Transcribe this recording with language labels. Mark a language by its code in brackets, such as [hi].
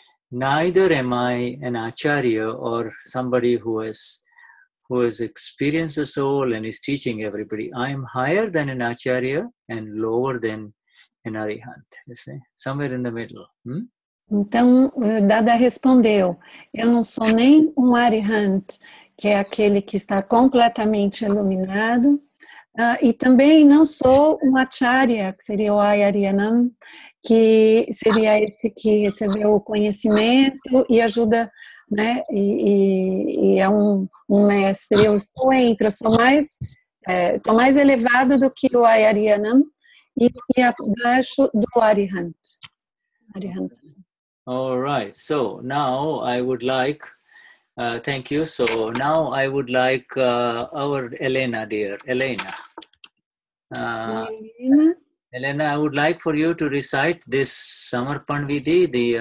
[en] Neither am I an Acharya or somebody who has experienced the soul and is teaching everybody. I am higher than an Acharya and lower than an Arihant. You see? Somewhere in the middle. [pt] Então, Dada respondeu, eu não sou nem um Arihant, que é aquele que está completamente iluminado, e também não sou um Acharya, que seria o Ayariyanam, que seria esse que recebeu o conhecimento e ajuda, né, e é um mestre. Eu estou entre, eu sou mais, estou mais elevado do que o Ayariyanam e abaixo do Arihant. [en] All right, so now I would like, thank you. So now I would like our Elena, dear. Elena. Elena, I would like for you to recite this Samarpan Vidhi.